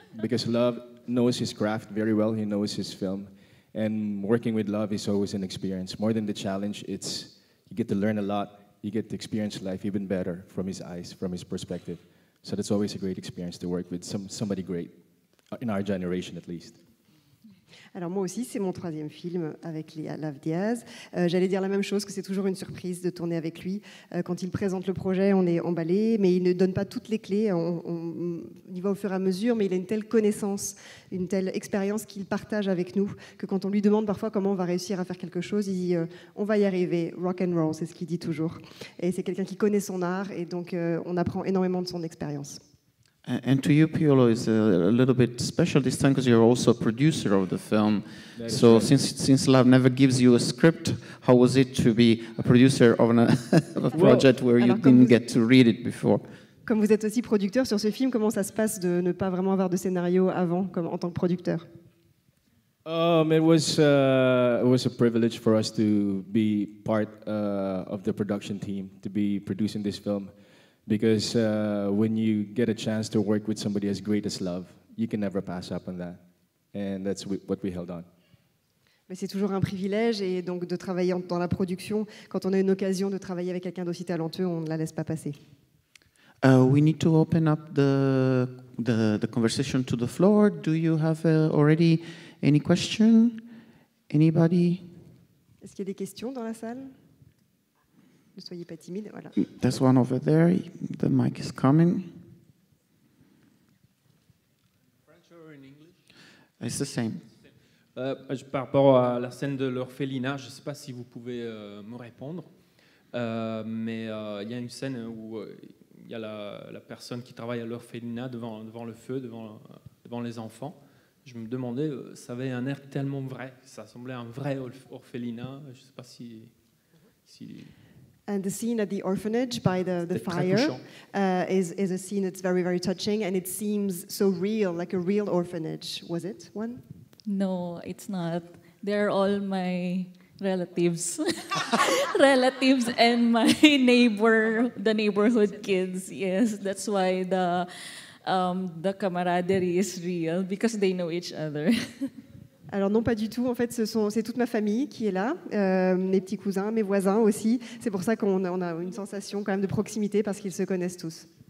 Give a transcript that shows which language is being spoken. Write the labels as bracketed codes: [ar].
[en] Because Love knows his craft very well, he knows his film, and working with Love is always an experience. More than the challenge, it's you get to learn a lot, you get to experience life even better from his eyes, from his perspective. So that's always a great experience to work with somebody great. in our generation at least. [fr] Alors moi aussi, c'est mon troisième film avec Léa Love Diaz. J'allais dire la même chose, que c'est toujours une surprise de tourner avec lui. Quand il présente le projet, on est emballé, mais il ne donne pas toutes les clés. On y va au fur et à mesure, mais il a une telle connaissance, une telle expérience qu'il partage avec nous, que quand on lui demande parfois comment on va réussir à faire quelque chose, il dit on va y arriver, [en] rock and roll, [fr] c'est ce qu'il dit toujours. Et c'est quelqu'un qui connaît son art, et donc on apprend énormément de son expérience. [en] And to you, Piolo, is a little bit special this time because you're also a producer of the film. So true. since Love never gives you a script, how was it to be a producer of a project where you didn't get to read it before? [fr] Comme vous êtes aussi producteur sur ce film, comment ça se passe de ne pas vraiment avoir de scénario avant, comme en tant que producteur? [en] It was a privilege for us to be part of the production team, to be producing this film. Because when you get a chance to work with somebody as great as Love, you can never pass up on that. And that's what we held on. [fr] Mais c'est toujours un privilège, et donc de travailler dans la production, quand on a une occasion de travailler avec quelqu'un d'aussi talentueux, on ne la laisse pas passer. [en] We need to open up the conversation to the floor. Do you have already any question? Anybody? [fr] Est-ce qu'il y a des questions dans la salle? Ne soyez pas timide, voilà. [en] There's one over there. The mic is coming. French or in English? It's the same. [fr] Par rapport à la scène de l'orphelinat, je ne sais pas si vous pouvez me répondre, mais il y a une scène où il y a la personne qui travaille à l'orphelinat devant le feu, devant les enfants. Je me demandais, ça avait un air tellement vrai. Ça semblait un vrai orphelinat. Je ne sais pas si [en] And the scene at the orphanage by the fire is a scene that's very, very touching, and it seems so real, like a real orphanage. Was it one? No, it's not. They're all my relatives. Relatives and my neighborhood kids. Yes, that's why the camaraderie is real, because they know each other. [fr] Alors non, pas du tout. En fait, c'est toute ma famille qui est là, mes petits cousins, mes voisins aussi. C'est pour ça qu'on a une sensation quand même de proximité parce qu'ils se connaissent tous.